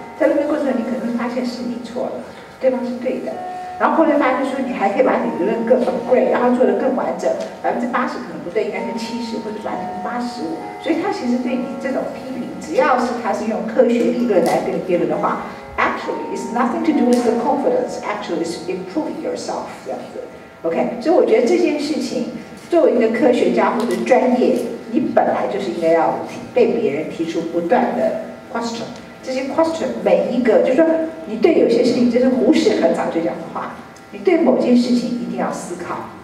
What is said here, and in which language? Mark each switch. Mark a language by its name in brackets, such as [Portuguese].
[Chinese] 在论辩过程中，你可能发现是你错了，对方是对的，然后后来发现说你还可以把你理论更 upgrade， 然后做得更完整，80%可能不对，应该是70%或者85%。所以他其实对你这种批评，只要是他是用科学理论来跟你辩论的话。 [English] Actually, it's nothing to do with the confidence. Actually, it's improving yourself. [Chinese] 这样子 [English] ，OK。 [Chinese] 所以我觉得这件事情，作为一个科学家或者专业，你本来就是应该要被别人提出不断的 question。这些 question 每一个，就是说你对有些事情，就是胡适很早就讲的话，你对某件事情一定要思考。